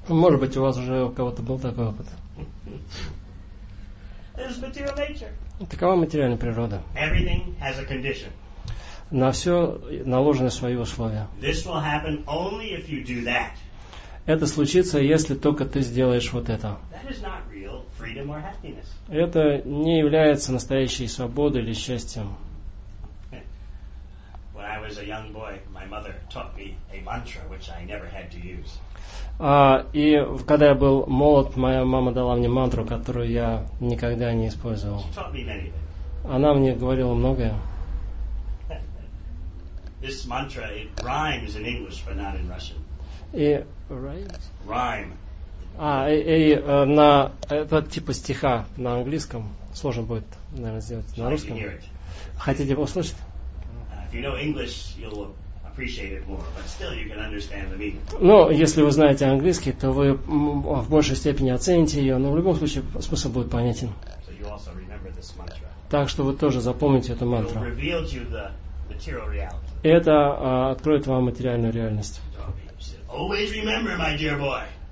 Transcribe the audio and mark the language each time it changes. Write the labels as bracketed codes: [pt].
[ru] Может быть, у вас уже у кого-то был такой опыт. [en] There's material nature. [ru] Такова материальная природа. [en] Everything has a condition. [ru] На все наложены свои условия. [en] This will happen only if you do that. [ru] Это случится, если только ты сделаешь вот это. [en] That is not real freedom or happiness. [ru] Это не является настоящей свободой или счастьем. [en] When I was a young boy, my mother taught me a mantra, which I never had to use. [ru] И когда я был молод, моя мама дала мне мантру, которую я никогда не использовал. [en] She taught me many things. [ru] Она мне говорила многое. [en] This mantra, it rhymes in English, but not in Russian. Rhymes? Rhyme. [ru] На этот типа стиха на английском сложно будет, наверное, сделать на русском. Хотите услышать? [en] If you know English, you'll appreciate it more, but still you can understand the meaning. [ru] Ну, если вы знаете английский, то вы в большей степени оцените ее, но в любом случае смысл будет понятен. [en] So you also remember this mantra. [ru] Так что вы тоже запомните эту мантру. [en] Material reality. [ru] Это откроет вам материальную реальность. [en] Always remember, my dear boy.